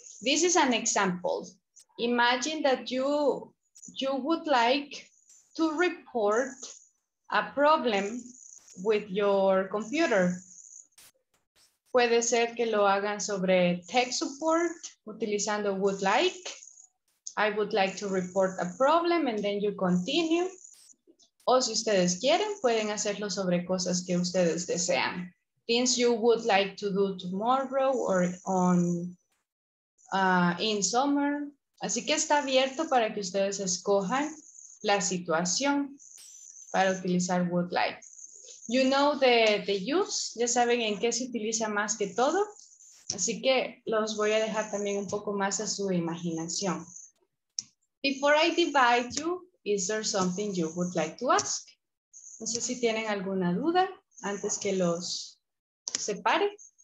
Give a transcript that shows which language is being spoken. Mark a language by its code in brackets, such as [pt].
[en] This is an example. Imagine that you would like to report a problem with your computer. [es] Puede ser que lo hagan sobre tech support utilizando would like. [en] I would like to report a problem and then you continue. [es] O si ustedes quieren, pueden hacerlo sobre cosas que ustedes desean. [en] Things you would like to do tomorrow or in summer. [es] Así que está abierto para que ustedes escojan la situación para utilizar would like. [en] You know the use, [es] ya saben en qué se utiliza más que todo. Así que los voy a dejar también un poco más a su imaginación. [en] Before I divide you, is there something you would like to ask? [es] No sé si tienen alguna duda antes que los separe.